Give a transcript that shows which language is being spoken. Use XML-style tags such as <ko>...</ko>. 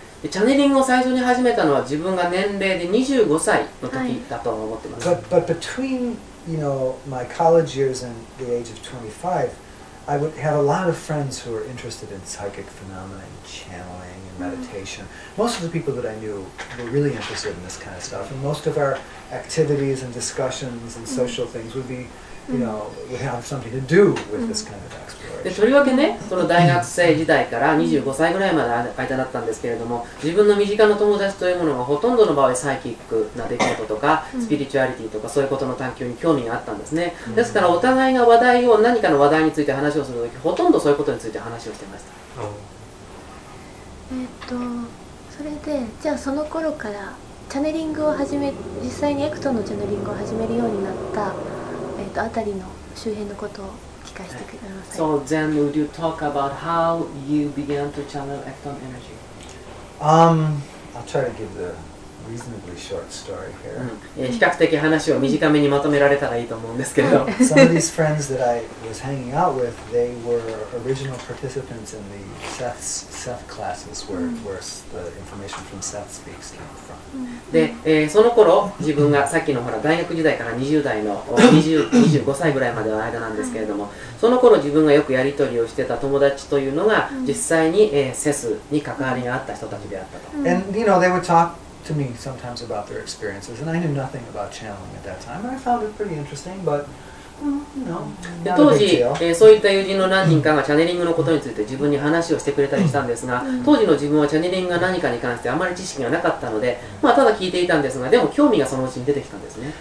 <ja>チャネリングを最初に始めたのは自分が年齢で25歳の時だと思ってます。</ja> <en>But between, you know, my college years and the age of 25, I would have a lot of friends who were interested in psychic phenomena and channeling and meditation. Most of the people that I knew were really interested in this kind of stuff. And most of our activities and discussions and social things would be, you know, would have something to do with this kind of activity.</en> <ja>でとりわけね、その大学生時代から25歳ぐらいまで間だったんですけれども、自分の身近な友達というものがほとんどの場合サイキックな出来事とかスピリチュアリティとかそういうことの探求に興味があったんですね。ですからお互いが話題を何かの話題について話をするとき、ほとんどそういうことについて話をしていました。それでじゃあその頃からチャネリングを始め、実際にエクトのチャネリングを始めるようになった、あたりの周辺のことを。</ja> <en>So then would you talk about how you began to channel Ecton energy? I'll try to give the reasonably short story here.</en> <ja>比較的話を短めにまとめられたらいいと思うんですけど。</ja> <en>Some of these friends that I was hanging out with, they were original participants in the Seth classes where the information from Seth speaks came from.</en> <ja>で、その頃自分がさっきのほら大学時代から20代の25歳ぐらいまでの間なんですけれども、その頃自分がよくやり取りをしてた友達というのが実際に、セスに関わりがあった人たちであったと。</ja> <en>And you know they would talk. To me, sometimes about their experiences, and I knew nothing about channeling at that time. I found it pretty interesting, but you know, not a big deal.</en> <ja>当時、そういった友人の何人かがチャネリングのことについて自分に話をしてくれたりしたんですが、当時の自分はチャネリングが何かに関してあまり知識がなかったので、まあただ聞いていたんですが、でも興味がそのうちに出てきたんですね。</ja>